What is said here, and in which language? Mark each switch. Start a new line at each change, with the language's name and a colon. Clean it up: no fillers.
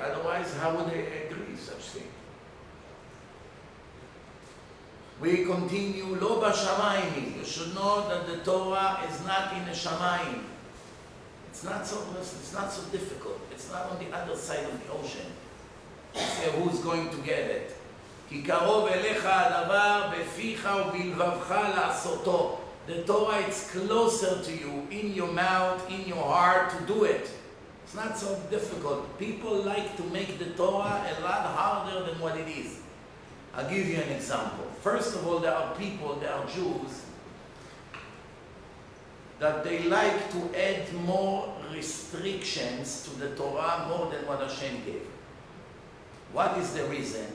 English: Otherwise, how would they agree such thing? We continue, lo b'shamayim. You should know that the Torah is not in a shamayim. It's not so difficult. It's not on the other side of the ocean. See who's going to get it.
Hebrew: כי קרוב אליך הדבר בפיך ובלבבך לעשותו.
English: The Torah is closer to you, in your mouth, in your heart, to do it. It's not so difficult. People like to make the Torah a lot harder than what it is. I'll give you an example. First of all, there are people, there are Jews, that they like to add more restrictions to the Torah more than what Hashem gave. What is the reason?